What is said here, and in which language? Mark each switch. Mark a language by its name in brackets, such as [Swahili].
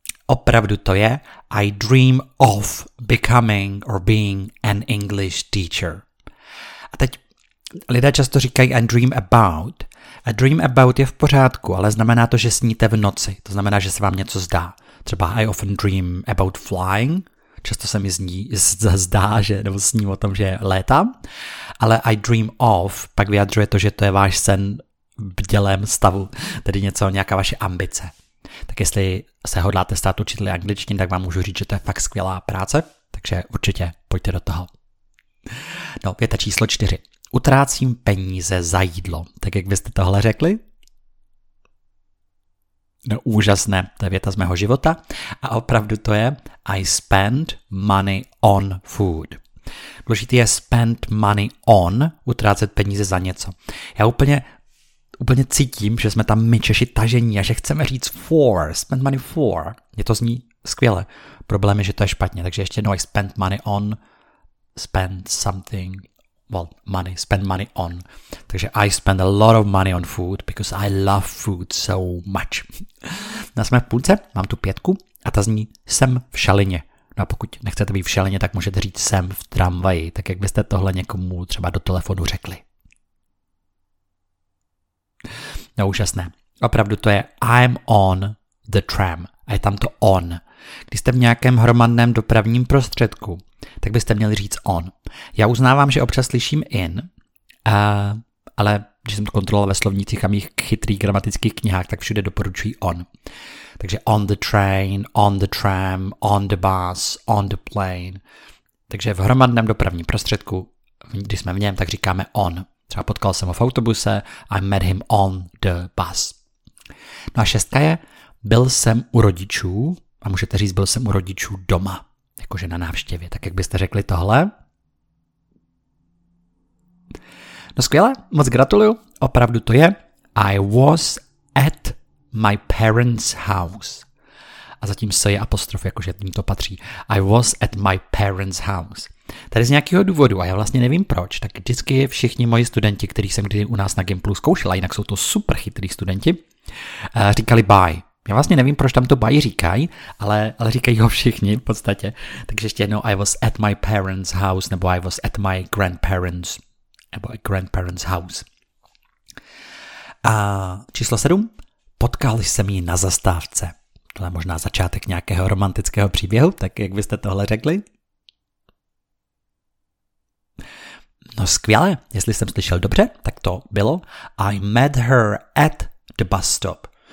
[Czech] Opravdu to je, [English] I dream of becoming or being an English teacher. [Czech] A teď lidé často říkají [English] I dream about. [Czech] A [English] dream about [Czech] je v pořádku, ale znamená to, že sníte v noci. To znamená, že se vám něco zdá. [English] Třeba I often dream about flying. [Czech] Často se mi zdá, že nebo sním o tom, že létám. Ale [English] I dream of [Czech] pak vyjadřuje to, že to je váš sen v bdělém stavu. Tedy něco, nějaká vaše ambice. Tak jestli se hodláte stát učiteli angličtiny, tak vám můžu říct, že to je fakt skvělá práce, takže určitě pojďte do toho. No, věta číslo 4. Utrácím peníze za jídlo. Tak jak byste tohle řekli? No, úžasné, to je věta z mého života. A opravdu to je [English] I spend money on food. [Czech] Důležitý je [English] spend money on, [Czech] utrácet peníze za něco. Já úplně cítím, že jsme tam my Češi tažení a že chceme říct for, [English] spend money for. [Czech] Mně to zní skvěle. Problém je, že to je špatně, takže ještě jednou, [English] I spend money on, [Czech] spend something, well, money, spend money on. [English] Takže I spend a lot of money on food, because I love food so much. [Czech] No, jsme v půlce, mám tu pětku a ta zní jsem v šalině. No a pokud nechcete být v šalině, tak můžete říct jsem v tramvaji, tak jak byste tohle někomu třeba do telefonu řekli. No, úžasné. Opravdu to je [English] I'm on the tram. [Czech] A je tam to on. Když jste v nějakém hromadném dopravním prostředku, tak byste měli říct on. Já uznávám, že občas slyším in, ale když jsem to kontroloval ve slovnících a mých chytrých gramatických knihách, tak všude doporučuji on. [English] Takže on the train, on the tram, on the bus, on the plane. [Czech] Takže v hromadném dopravním prostředku, když jsme v něm, tak říkáme on. Třeba potkal jsem ho v autobuse, [English] I met him on the bus. [Czech] No a šestka je, byl jsem u rodičů, a můžete říct, byl jsem u rodičů doma, jakože na návštěvě. Tak jak byste řekli tohle? No skvěle, moc gratuluju, opravdu to je. [English] I was at my parents' house. [Czech] A zatím se je apostrof, jakože tím to patří. [English] I was at my parents' house. [Czech] Tady z nějakého důvodu, a já vlastně nevím proč, tak vždycky všichni moji studenti, který jsem kdy u nás na Gimplu zkoušel, a jinak jsou to super chytrý studenti, říkali bye. Já vlastně nevím, proč tam to bye říkají, ale říkají ho všichni v podstatě. Takže ještě jednou, [English] I was at my parents' house, nebo I was at my grandparents', nebo at grandparents' house. [Czech] A číslo 7. Potkal jsem ji na zastávce. Tohle je možná začátek nějakého romantického příběhu, tak jak byste tohle řekli? No skvěle, jestli jsem slyšel dobře, tak to bylo. [English] I met her at the bus stop.